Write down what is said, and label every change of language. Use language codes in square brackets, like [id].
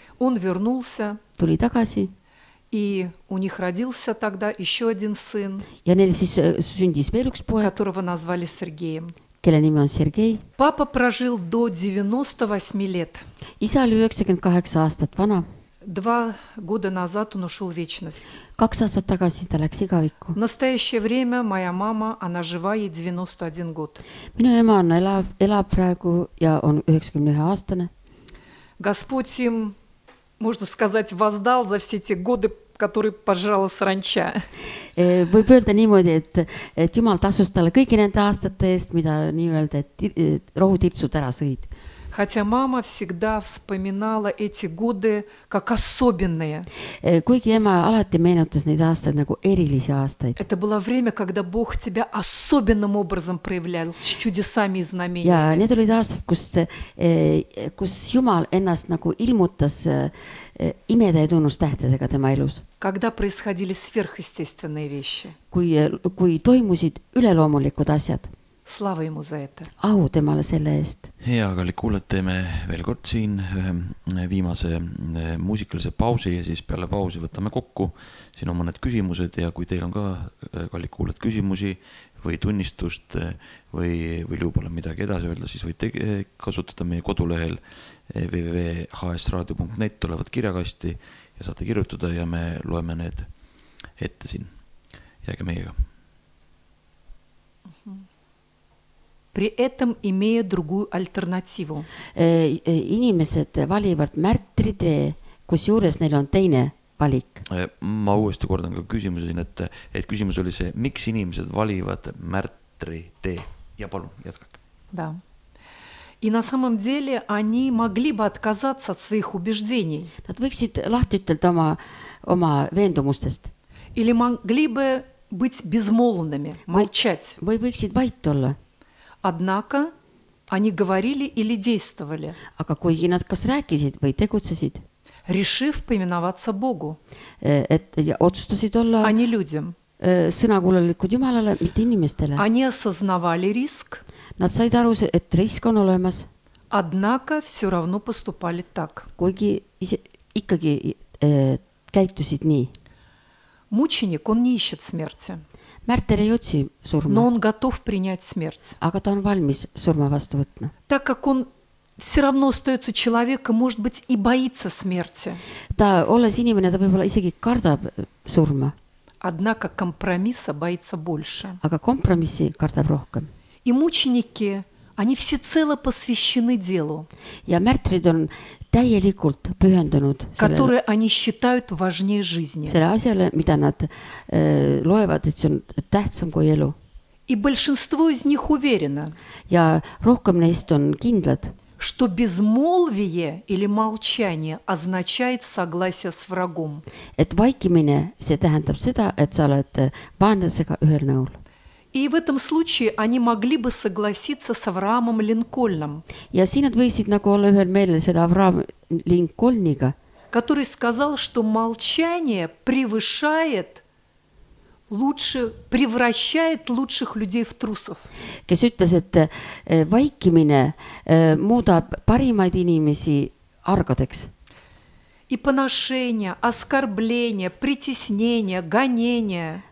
[ru] Он вернулся. [et] Tuli tagasi. [ru] И у них родился тогда еще один сын. [et] Ja neil siis sündis veel üks poeg. [ru] Которого назвали Сергеем. [et] Kelle nimi on Sergei. [ru] Папа прожил до 98 лет. [et] Isa oli 98 aastat vana. [ru] 2 года назад он ушел в вечность. [et] 2 aastat tagasi ta läks igavikku. [ru] В настоящее время моя мама, она жива ей 91 год. [et] Minu ema on elab praegu ja on 91 aastane. [ru] Господь им, можно сказать, воздал за все те годы, который пожрал саранча. [et] Võib öelda niimoodi, et Jumal tasus talle kõiki nende aastate eest, mida nii-öelda, et rohu tirtsud ära sõid. [ru] Хотя мама всегда вспоминала эти годы как особенные. [et] Kuigi ema alati meenutas neid aastaid nagu erilisi aastaid. [ru] Это было время, когда Бог тебя особенным образом проявлял с чудесами и знамениями. [et] Ja need olid aastad, kus Jumal ennast nagu ilmutas imede ja tunnustähtedega tema elus. [ru] Когда происходили сверхъестественные вещи. [et] Kui toimusid üleloomulikud asjad. [ru] Слава ему за это. [et] Au temale selle eest. Hea, aga kuulet teeme veel kord siin ühe viimase muusikalise pausi ja siis peale pausi võtame kokku. Siin on mõned küsimused ja kui teil on ka kallik kuulet küsimusi või tunnistust või juba midagi edasi öelda, siis võite kasutada meie kodulehel www.hsradio.net tulevad kirjakasti ja saate kirjutada ja me loeme need ette siin. Jääge meiega. [ru] При этом имея другую альтернативу. [et] Inimesed valivad märtri tee kus juures neil on teine valik. Ma uuesti kordan ka küsimuse siin, et küsimus oli see, miks inimesed valivad märtri tee? Ja palun, jätkake. [ru] Да. И на самом деле они могли бы отказаться от своих убеждений. [et] Nad võiksid lahti ütelda oma veendumustest. [ru] Или могли бы быть безмолвными, молчать. [et] Või võiksid vait olla. [ru] Однако они говорили или действовали. [et] Aga kuigi nad kas rääkisid või tegutsesid. [ru] Решив поименоваться Богу. [et] Et otsustasid olla. [ru] Они людям. [et] Sõnakuulelikud Jumalale, mitte inimestele. [ru] Они осознавали риск. [et] Nad said aru, et risk on olemas. [ru] Однако все равно поступали так. [et] Kuigi ikkagi käitusid nii. [ru] Мученик, он не ищет смерти. [et] Märter ei otsi surma. [ru] Но он готов принять смерть. [et] Aga ta on valmis surma vastu võtma. [ru] Так как он все равно остается человеком, может быть, и боится смерти. [et] Ta olles inimene, ta võib-olla isegi kardab surma. [ru] Однако компромисса боится больше. [et] Aga компромиссi kardab rohkem. [ru] И мученики, они всецело посвящены делу. [et] Ja märtrid on täielikult pühendunud [ru] которые они считают важнее жизни. [et] Selle asjale, mida nad loevad, et see on tähtsam kui elu. [ru] И большинство из них уверено. [et] Ja rohkem neist on kindlad. [ru] Что безмолвие или молчание означает согласие с врагом. [et] Et vaikimine, see tähendab seda, et sa oled vaenlasega ühel nõul. [ru] И в этом случае они могли бы согласиться с Авраамом Линкольном. [et] Ja siin nad võisid nagu olla ühel meelel seda Авраам Линкольniga. [ru] Который сказал, что молчание превышает лучше, превращает лучших людей в трусов. [et] Kes ütles, et vaikimine muudab parimaid inimesi argadeks. [ru] И поношение, оскорбление, притеснение, гонение.